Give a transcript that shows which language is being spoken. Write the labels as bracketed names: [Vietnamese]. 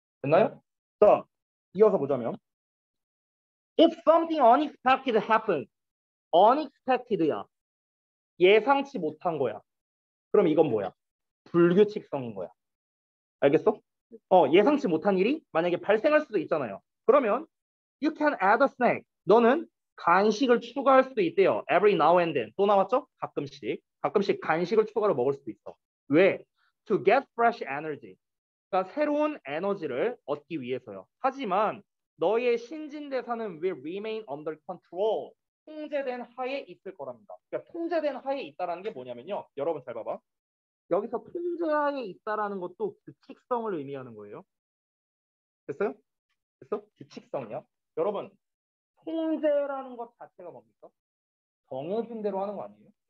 [Korean] 됐나요? 자, 이어서 보자면. [English] If something unexpected happens, [Korean] unexpected야. 예상치 못한 거야. 그럼 이건 뭐야? 불규칙성인 거야. 알겠어? 예상치 못한 일이 만약에 발생할 수도 있잖아요. 그러면 [English] you can add a snack. [Korean] 너는 간식을 추가할 수도 있대요. [English] Every now and then. [Korean] 또 나왔죠? 가끔씩. 가끔씩 간식을 추가로 먹을 수도 있어. [English] 왜? To get fresh energy. [Korean] 그러니까 새로운 에너지를 얻기 위해서요. 하지만 너의 신진대사는 [English] will remain under control. [Korean] 통제된 하에 있을 거랍니다. 그러니까 통제된 하에 있다라는 게 뭐냐면요. 여러분 잘 봐봐. 여기서 통제하에 있다라는 것도 규칙성을 의미하는 거예요. 됐어요? 됐어? 규칙성이야. 여러분, 통제라는 것 자체가 뭡니까? 정해진 대로 하는 거 아니에요?